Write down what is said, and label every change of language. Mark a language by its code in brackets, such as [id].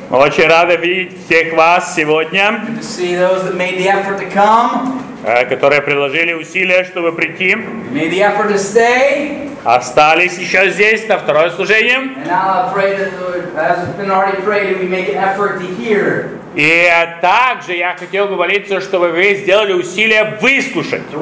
[ru] Очень рады видеть всех вас сегодня. [en] Good to see those that made the effort to come. [ru] Которые приложили усилия, чтобы прийти. [en] Made the effort to stay. [ru] Остались еще здесь на второе служение. [en] And now I pray that as has been already prayed, we make an effort to hear. [ru] И также я хотел бы молиться, чтобы вы сделали усилия выслушать.